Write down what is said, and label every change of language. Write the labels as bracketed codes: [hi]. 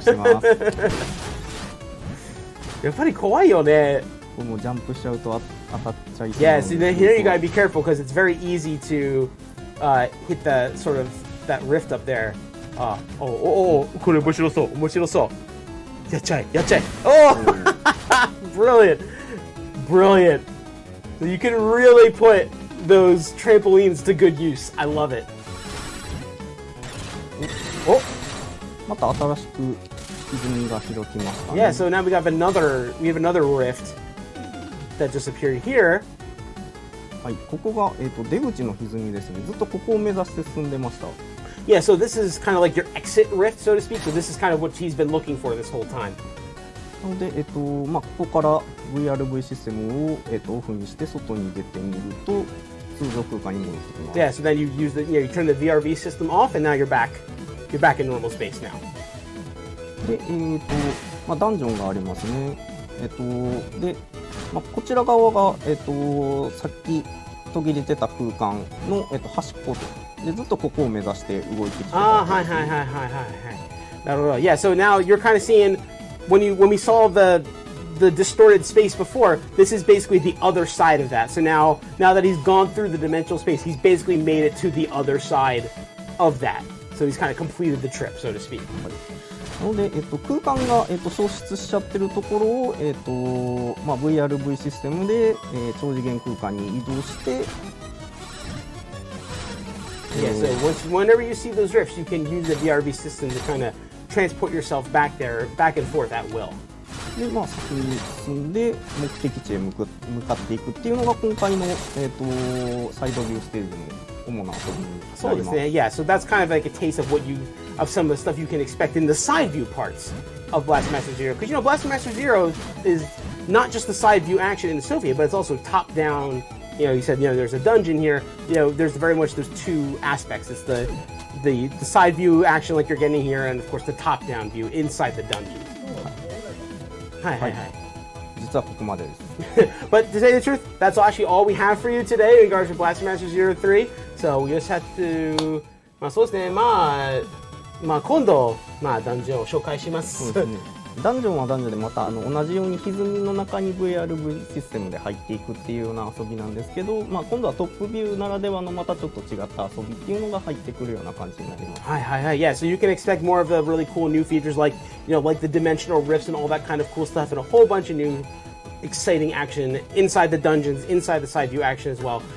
[ja] すごいハラハラしてます。やっぱり怖いよね。もうジャンプしちゃうと当たっちゃいそう。 [en] Yes, and then here you gotta be careful because it's very easy to hit the sort of that rift up there. [ja] これ面白そう面白そう。やっちゃえやっちゃえ。 [en] Oh, brilliant. Brilliant! So you can really put those trampolines to good use. I love it. Oh! [ja] また新しく泉が開きましたね。 [en] Yeah, so now we have another rift that just appeared here. [ja] はい、ここが、出口の泉ですね。ずっとここを目指して進んでました。 [en] Yeah, so this is kind of like your exit rift, so to speak. So this is kind of what he's been looking for this whole time. [ja] なので、まあ、ここから VRV システムを、オフにして外に出てみると通常空間に戻ってきます。 [en] Yeah, so then you use the, you know, you turn the VRV system off and now you're back in normal space now. [ja] で、まあ、ダンジョンがありますね。で、まあ、こちら側が、さっき途切れてた空間の、端っこで、ずっとここを目指して動いてきてます。ああ、はいはいはいはいはい。なるほど。 [en] Yeah, so now you're kind of seeing... When we saw the distorted space before, this is basically the other side of that. So now that he's gone through the dimensional space, he's basically made it to the other side of that. So he's kind of completed the trip, so to speak. [ja] なので、空間が、消失しちゃってるところを、まあ、VRV システムで、超次元空間に移動して。 [en] Yeah, so whenever you see those rifts, you can use the VRV system to kind of... transport yourself back there, back and forth at will. [ja] で、まあ、進んで目的地へ向かっていくっていうのが今回の、サイドビューステージの主な部分になります。そうですね。 [en] Yeah, so that's kind of like a taste of what you, of some of the stuff you can expect in the side view parts of Blast Master Zero. Because, you know, Blast Master Zero is not just the side view action in the Sophia, but it's also top down. You know, you said, you know, there's a dungeon here. You know, there's very much, there's two aspects. It's the side view action like you're getting here and of course the top down view inside the dungeon. [ja] はい。実はここまでです。 [en] But to say the truth, that's actually all we have for you today in regards to Blaster Master 03. So we just have to... [ja] まあそうですね、まあ今度、まあダンジョンを紹介します。ダンジョンはダンジョンでまたあの同じように歪みの中に VR システムで入っていくっていうような遊びなんですけど、まあ、今度はトップビューならではのまたちょっと違った遊びっていうのが入ってくるような感じになります。 [en] はいはいはい、 Yeah, so you can expect more of the really cool new features like, you know, like the dimensional rifts and all that kind of cool stuff and a whole bunch of new exciting action inside the dungeons, inside the side view action as well.